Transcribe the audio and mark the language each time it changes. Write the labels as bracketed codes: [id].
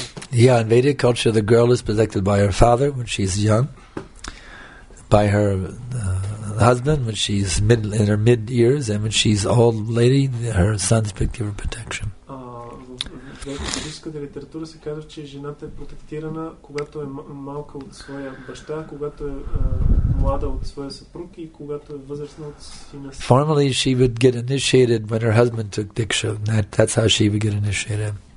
[en] Yeah, in Vedic culture, the girl is protected by her father when she's young, by her husband when she's in her mid years, and when she's old lady, her sons could give her protection. [bg] Ruskata literatura se kaže, че жената е протектирана, когато е малка от своя баща, когато е млада от своя съпруг и когато е възрастна от сина си. [en] Formally, she would get initiated when her husband took diksha. That's how she would get initiated.